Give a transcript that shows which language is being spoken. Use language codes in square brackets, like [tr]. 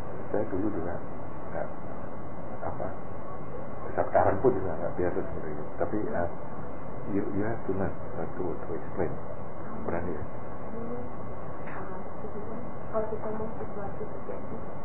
[id] Saya dulu juga enggak apa, sekarang pun juga enggak biasa seperti itu. [en] Tapi you have to learn to explain. [id] Berani. Kalau kita mau sesuatu terjadi,